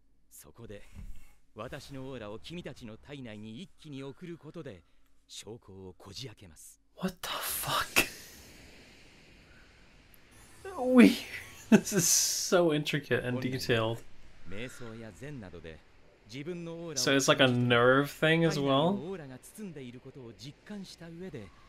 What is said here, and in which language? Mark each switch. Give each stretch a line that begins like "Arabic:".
Japanese: そこで、私のオーラを君たちの体内に一気に送ることで、小孔をこじ開けます。
English: What the fuck? This is so intricate and detailed.
Japanese: 瞑想や禅などで、自分のオーラ
English: を。So it's like a nerve thing as well?
Japanese: 体内のオーラが包んでいることを実感した上で、